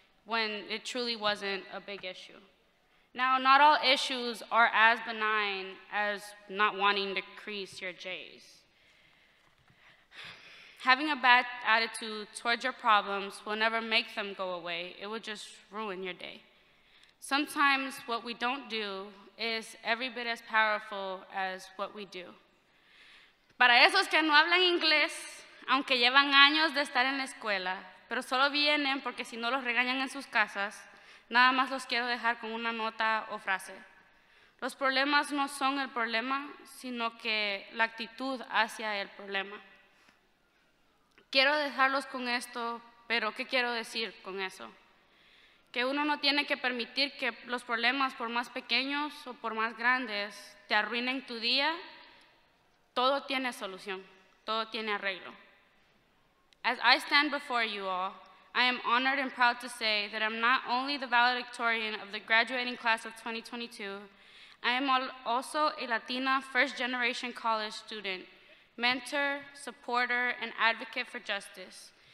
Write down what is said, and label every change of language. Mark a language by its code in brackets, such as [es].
[en] when it truly wasn't a big issue. Now, not all issues are as benign as not wanting to crease your J's. Having a bad attitude towards your problems will never make them go away. It will just ruin your day. Sometimes what we don't do is every bit as powerful as what we do. [es] Para esos que no hablan inglés, aunque llevan años de estar en la escuela, pero solo vienen porque si no los regañan en sus casas, nada más los quiero dejar con una nota o frase. Los problemas no son el problema, sino que la actitud hacia el problema. Quiero dejarlos con esto, pero ¿qué quiero decir con eso? Que uno no tiene que permitir que los problemas, por más pequeños o por más grandes, te arruinen tu día. Todo tiene solución. Todo tiene arreglo. [en] As I stand before you all, I am honored and proud to say that I'm not only the valedictorian of the graduating class of 2022, I am also a Latina first-generation college student, mentor, supporter, and advocate for justice.